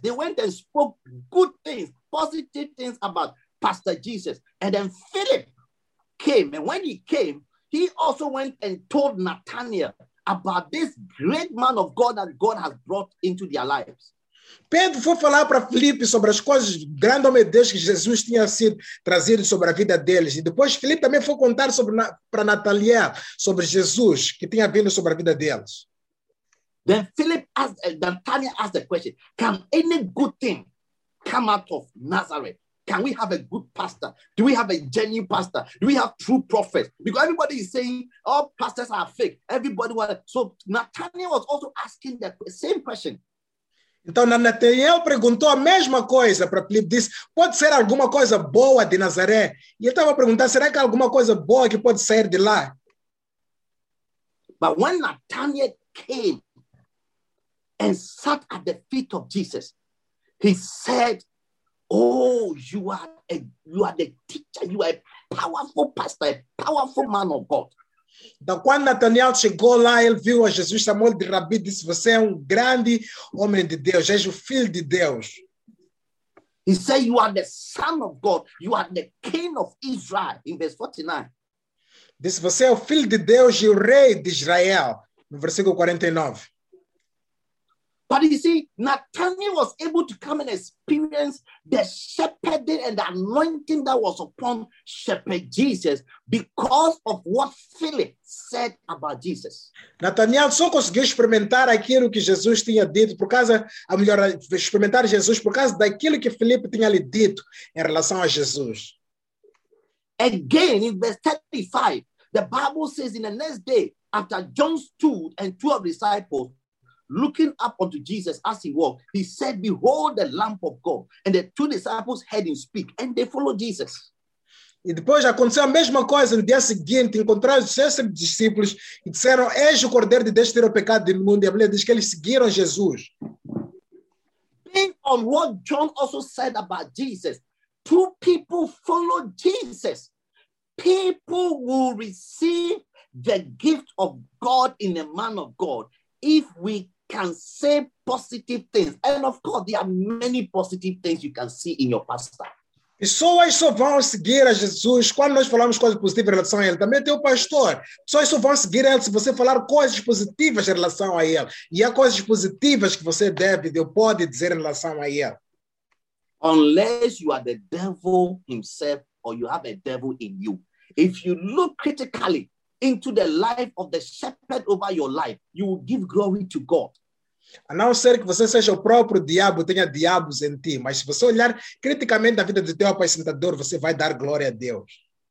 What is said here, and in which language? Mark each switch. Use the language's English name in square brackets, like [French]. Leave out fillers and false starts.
[English] They went and spoke good things, positive things about Pastor Jesus. And then Philip came. And when he came, he also went and told Nathanael about this great man of God that God has brought into their lives. [Portuguese] Pedro foi falar para Filipe sobre as coisas grande homem de Deus que Jesus tinha sido trazido sobre a vida deles. E depois Filipe também foi contar para Nathanael sobre Jesus que tinha vindo sobre a vida deles. [English] Then Philip asked, Nathanael asked the question, can any good thing come out of Nazareth? Can we have a good pastor? Do we have a genuine pastor? Do we have true prophets? Because everybody is saying all pastors are fake. Everybody was. So Nathanael was also asking the same question. [Portuguese] Então Nathanael perguntou a mesma coisa para Filipe. Disse, pode ser alguma coisa boa de Nazaré? E ele estava perguntando, será que alguma coisa boa que pode sair de lá? [English] But when Nathanael came and sat at the feet of Jesus, he said, oh, you are the teacher, you are a powerful pastor, a powerful man of God. [Portuguese] Então, quando Nathanael chegou lá, ele viu a Jesus, chamou-lhe de Rabi, disse, você é um grande homem de Deus, és o filho de Deus. [English] He said, you are the son of God, you are the king of Israel, in verse 49. [Portuguese] Disse, você é o filho de Deus e o rei de Israel, no versículo 49. [English] But you see, Nathanael was able to come and experience the shepherding and the anointing that was upon Shepherd Jesus because of what Philip said about Jesus. [Portuguese] Nathanael só conseguiu experimentar aquilo que Jesus tinha dito por causa, a melhor, experimentar Jesus por causa daquilo que Filipe tinha lhe dito em relação a Jesus. [English] Again, in verse 35, the Bible says, in the next day, after John stood and two of the disciples, looking up unto Jesus as he walked, he said, behold the Lamb of God. And the two disciples heard him speak, and they followed Jesus. [Portuguese] E depois aconteceu a mesma coisa no dia seguinte, encontraram os seus discípulos e disseram, eis o Cordeiro de Deus que tira o pecado do mundo. E a Bíblia diz que eles seguiram Jesus. [English] Based on what John also said about Jesus, two people follow Jesus. People will receive the gift of God in the man of God if we can say positive things. And of course, there are many positive things you can see in your pastor. [Portuguese] Pessoas só vão seguir a Jesus quando nós falamos coisas positivas em relação a ele. Também tem o pastor. Pessoas só vão seguir ele se você falar coisas positivas em relação a ele. E há coisas positivas que você deve ou pode dizer em relação a ele. [English] Unless you are the devil himself or you have a devil in you. If you look critically into the life of the shepherd over your life, you will give glory to God. [Portuguese] A não ser que você seja o próprio diabo, tenha diabos em ti, mas se você olhar criticamente a vida do teu apacentador, você vai dar glória a Deus.